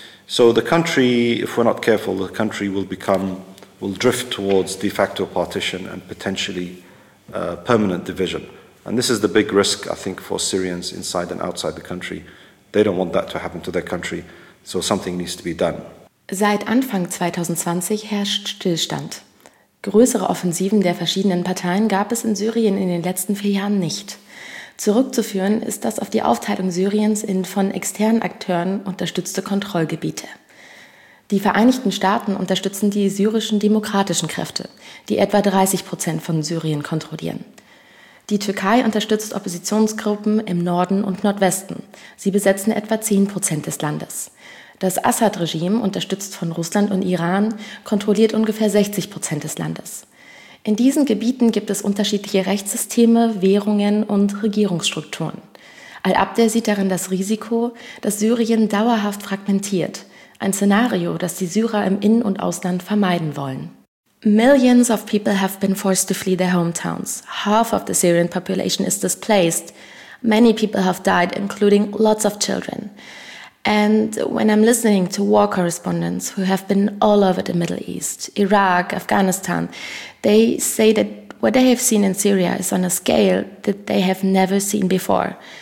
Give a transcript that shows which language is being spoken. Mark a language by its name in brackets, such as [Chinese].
[English] So the country, if we're not careful, the country will drift towards de facto partition and potentially permanent division. And this is the big risk, I think, for Syrians inside and outside the country. They don't want that to happen to their country, so something needs to be done. [German] Seit Anfang 2020 herrscht Stillstand. Größere Offensiven der verschiedenen Parteien gab es in Syrien in den letzten 4 Jahren nicht. Zurückzuführen ist das auf die Aufteilung Syriens in von externen Akteuren unterstützte Kontrollgebiete. Die Vereinigten Staaten unterstützen die syrischen demokratischen Kräfte, die etwa 30% von Syrien kontrollieren. Die Türkei unterstützt Oppositionsgruppen im Norden und Nordwesten. Sie besetzen etwa 10% des Landes. Das Assad-Regime, unterstützt von Russland und Iran, kontrolliert ungefähr 60% des Landes. In diesen Gebieten gibt es unterschiedliche Rechtssysteme, Währungen und Regierungsstrukturen. Al-Abdel sieht darin das Risiko, dass Syrien dauerhaft fragmentiert. Ein Szenario, das die Syrer im In- und Ausland vermeiden wollen. [English] Millions of people have been forced to flee their hometowns. Half of the Syrian population is displaced. Many people have died, including lots of children. And when I'm listening to war correspondents who have been all over the Middle East, Iraq, Afghanistan, they say that what they have seen in Syria is on a scale that they have never seen before.